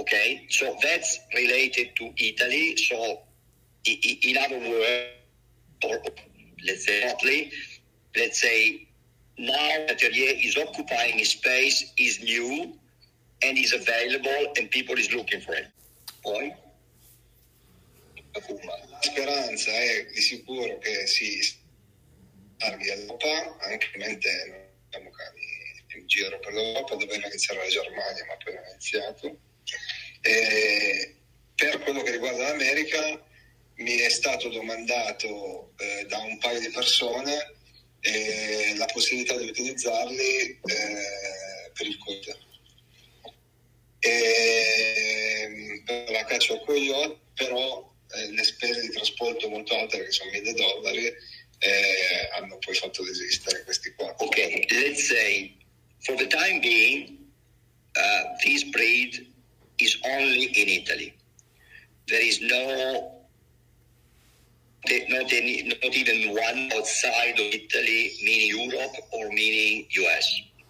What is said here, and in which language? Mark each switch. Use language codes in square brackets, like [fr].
[en] Okay, so that's related to Italy. So in other words, let's say now the Terrier is occupying his space, is new and is available, and people is looking for it. [it] Poi la speranza è di sicuro che si arrivi all'Europa, anche mentre siamo in giro per l'Europa, dovrebbe iniziare la Germania, ma appena iniziato. E per quello che riguarda l'America, mi è stato domandato da un paio di persone la possibilità di utilizzarli per il coyote. E per la caccia al coyote, però le spese di trasporto molto alte, che sono $1,000, hanno poi fatto desistere questi qua. [en] Ok, let's say, for the time being, this breed is only in Italy. There is no... not even one outside of Italy, meaning Europe or meaning US.